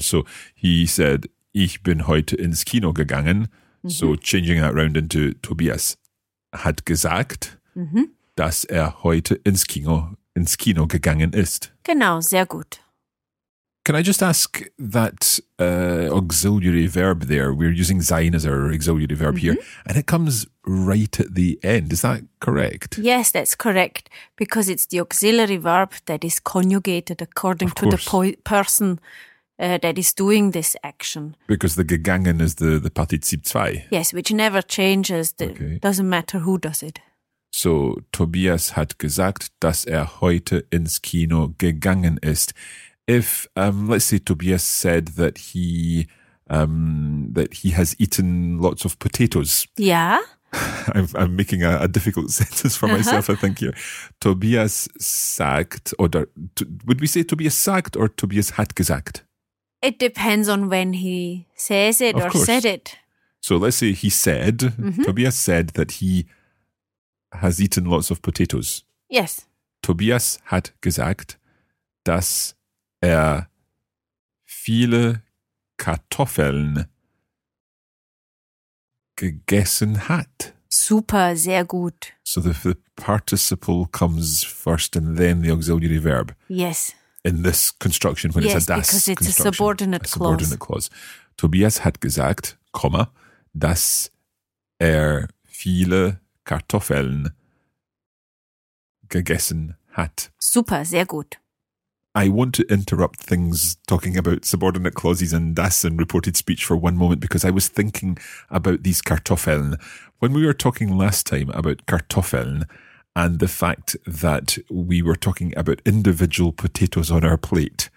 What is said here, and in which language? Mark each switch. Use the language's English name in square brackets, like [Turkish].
[English] So he said, [German] ich bin heute ins Kino gegangen. [English] Mm-hmm. So changing that round into [German] Tobias hat gesagt, mm-hmm. dass heute ins Kino gegangen ist. Genau, sehr gut. [English] Can I just ask that auxiliary verb there? We're using sein as our auxiliary verb mm-hmm. here. And it comes right at the end. Is that correct? Yes, that's correct. Because it's the auxiliary verb that is conjugated according to the person that is doing this action. Because the gegangen is the Partizip 2. Yes, which never changes. Doesn't matter who does it. [German] So, Tobias hat gesagt, dass heute ins Kino gegangen ist. [English] If, let's say, Tobias said that he has eaten lots of potatoes. Yeah. I'm making a difficult sentence for myself, I think, here. Tobias sagt, would we say Tobias sagt or [German] Tobias hat gesagt? [English] It depends on when he says it of or course. Said it. So let's say he said, mm-hmm. Tobias said that he has eaten lots of potatoes. Yes. [German] Tobias hat gesagt, dass viele Kartoffeln gegessen hat. Super, sehr gut. [English] So the participle comes first and then the auxiliary verb. Yes. In this construction, when yes, it's a das construction. Because it's a subordinate clause. [German] Tobias hat gesagt, dass viele Kartoffeln gegessen hat. Super, sehr gut. [English] I want to interrupt things talking about subordinate clauses and das and reported speech for one moment because I was thinking about these Kartoffeln. When we were talking last time about Kartoffeln and the fact that we were talking about individual potatoes on our plate,